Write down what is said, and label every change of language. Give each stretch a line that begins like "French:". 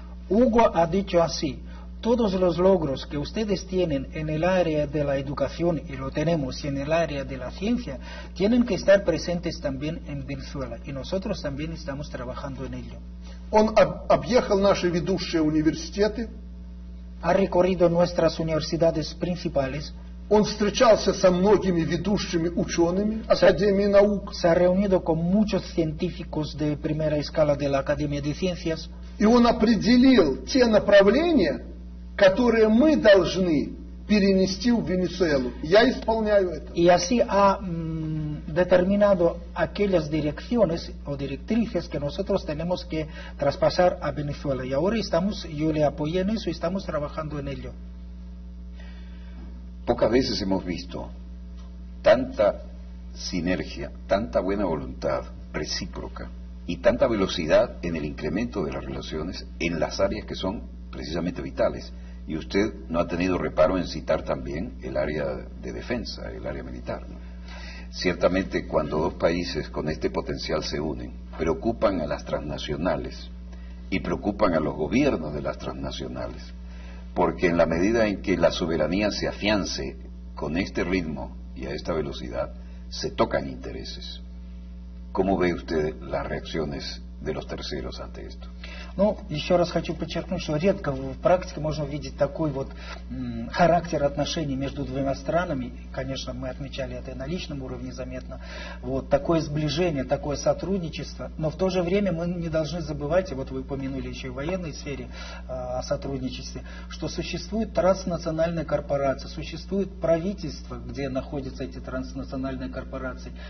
Spanish: Уго ha dicho así: todos los logros que ustedes tienen en el área de la educación y lo tenemos y en el área de la ciencia tienen que estar presentes también en Venezuela y nosotros también estamos trabajando en ello.
Russian: Он объехал наши ведущие университеты.
Spanish: Ha recorrido nuestras universidades principales.
Russian: Он встречался со многими ведущими учеными Академии наук.
Spanish: Se ha reunido con muchos científicos de primera escala de la Academia de Ciencias.
Russian: И он определил те направления, которые мы должны перенести в Венесуэлу. Я исполняю это. И
Spanish: así ha determinado aquellas direcciones o directrices que nosotros tenemos que traspasar a Venezuela. Y ahora estamos, yo le apoyé en eso y estamos trabajando en ello. Pocas veces hemos visto tanta sinergia, tanta buena voluntad recíproca y tanta velocidad en el incremento de las relaciones en las áreas que son precisamente vitales. Y usted no ha tenido reparo en citar también el área de defensa, el área militar, ¿no? Ciertamente, cuando dos países con este potencial se unen, preocupan a las transnacionales y preocupan a los gobiernos de las transnacionales, porque en la medida en que la soberanía se afiance con este ritmo y a esta velocidad, se tocan intereses. ¿Cómo ve usted las reacciones de los terceros ante esto?
Russian: Ну, еще раз хочу подчеркнуть, что редко в практике можно увидеть такой вот характер отношений между двумя странами. Конечно, мы отмечали это на личном уровне заметно. Вот такое сближение, такое сотрудничество. Но в то же время мы не должны забывать, и вот вы упомянули еще и в военной сфере о сотрудничестве, что существует транснациональная корпорация, существует правительство, где находятся эти транснациональные корпорации.